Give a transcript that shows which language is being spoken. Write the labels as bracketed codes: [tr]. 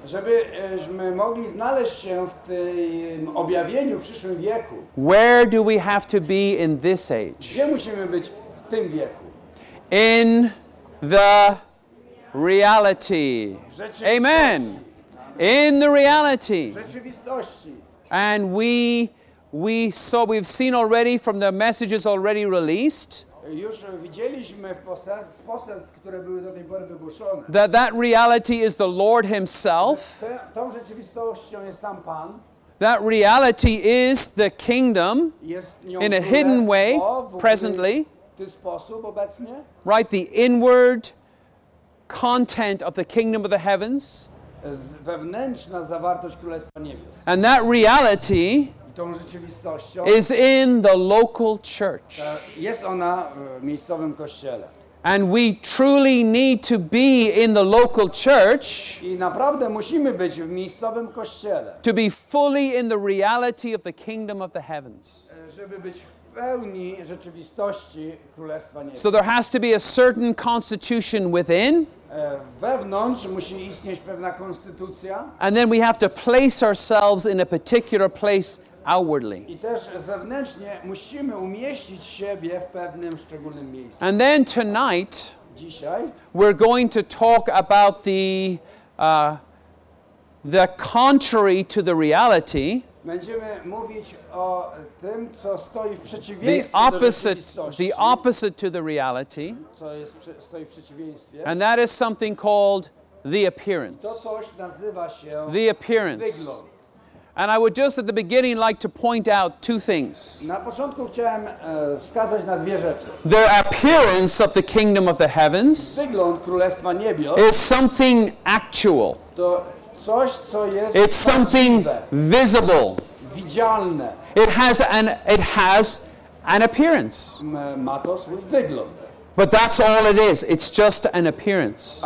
[pl] żebyśmy mogli znaleźć się w tym objawieniu w przyszłym wieku, [en] where do we have to be in this age? [pl] Gdzie musimy być w tym wieku? [en] In the reality. Amen. In the reality. [pl] W rzeczywistości. [en] And we've seen already from the messages already released, [pl] już widzieliśmy poselstw, które były do tej pory wygłoszone. [en] That reality is the Lord Himself. [pl] Tą rzeczywistością jest sam Pan. [en] That reality is the kingdom in a hidden way, presently. [pl] W ten sposób obecnie. [en] Right, the inward content of the kingdom of the heavens. [pl] Wewnętrzna zawartość Królestwa Niebios. [en] And that reality is in the local church. [pl] Jest ona w miejscowym kościele. [en] And we truly need to be in the local church. [pl] I naprawdę musimy być w miejscowym kościele. [en] To be fully in the reality of the kingdom of the heavens. [pl] Żeby być w pełni rzeczywistości Królestwa Niebios. [en] So there has to be a certain constitution within. [pl] Wewnątrz musi istnieć pewna konstytucja. [en] And then we have to place ourselves in a particular place outwardly. [pl] I też zewnętrznie musimy umieścić siebie w pewnym szczególnym miejscu. [en] And then tonight, [pl] dzisiaj, [en] we're going to talk about the the contrary to the reality. [pl] Będziemy mówić o tym, co stoi w przeciwieństwie [en] the opposite to the reality. [pl] Stoi w przeciwieństwie. [en] And that is something called the appearance. [pl] To coś nazywa się [en] the appearance. [pl] Wygląd. [en] And I would just at the beginning like to point out two things. [pl] Na początku chciałem wskazać na dwie rzeczy. [en] The appearance of the kingdom of the heavens [pl] wygląd Królestwa Niebios [en] is something actual. [pl] To coś, co jest [en] it's something [pl] prawdziwe. [en] Visible. [pl] Widzialne. [en] It has an appearance. [pl] Ma to swój wygląd. [en] But that's all it is. It's just an appearance.